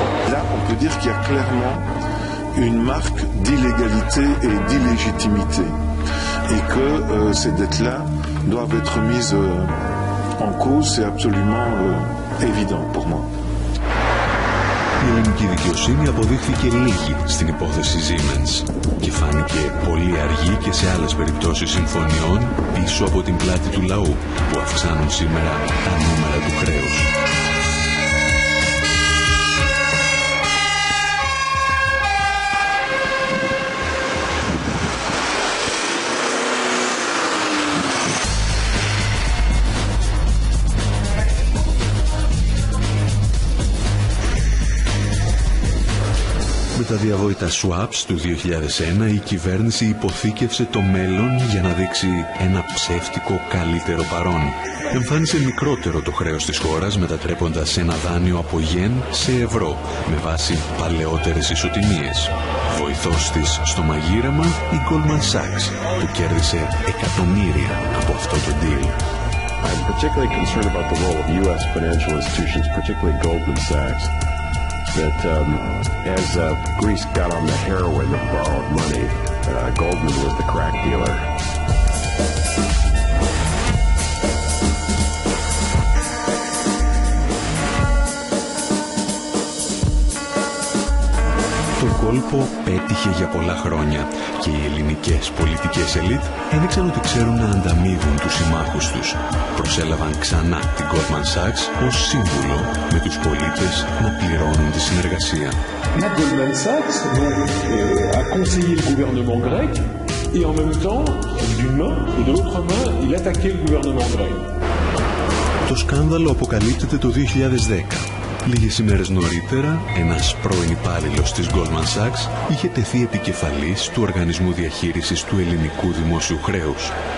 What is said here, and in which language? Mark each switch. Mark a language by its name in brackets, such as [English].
[French] Là, on peut dire qu'il y a clairement une marque d'illégalité et d'illégitimité. Et que ces dettes-là doivent être mises en cause, c'est absolument évident pour moi. [Greek] Η ελληνική δικαιοσύνη αποδείχθηκε λίγη στην υπόθεση Siemens και φάνηκε πολύ αργή και σε άλλες περιπτώσεις συμφωνιών πίσω από την πλάτη του λαού που αυξάνουν σήμερα τα νούμερα του χρέους. διαβόητα swaps του 2001, η κυβέρνηση υποθήκευσε το μέλλον για να δείξει ένα ψεύτικο καλύτερο παρόν. Εμφάνισε μικρότερο το χρέος της χώρας, μετατρέποντας ένα δάνειο από γεν σε ευρώ, με βάση παλαιότερες ισοτιμίες. Βοηθός της στο μαγείρεμα, η Goldman Sachs, που κέρδισε εκατομμύρια από αυτό το deal. [English] I'm particularly concerned about the role of U.S. financial institutions, particularly Goldman Sachs, that as Greece got on the heroin of borrowed money, Goldman was the crack dealer. [Greek] Κόλπο πέτυχε για πολλά χρόνια και οι ελληνικές πολιτικές ελίτ έδειξαν ότι ξέρουν να ανταμείβουν τους συμμάχους τους. Προσέλαβαν ξανά την Goldman Sachs ως σύμβουλο, με τους πολίτες να πληρώνουν τη συνεργασία. [French] La Goldman Sachs a conseillé le gouvernement grec et en même temps, d'une main et de l'autre main, il attaquait le gouvernement grec. [Greek] Το σκάνδαλο αποκαλύπτεται το 2010. Λίγες ημέρες νωρίτερα, ένας πρώην υπάλληλος της Goldman Sachs είχε τεθεί επικεφαλής του Οργανισμού Διαχείρισης του Ελληνικού Δημόσιου Χρέους.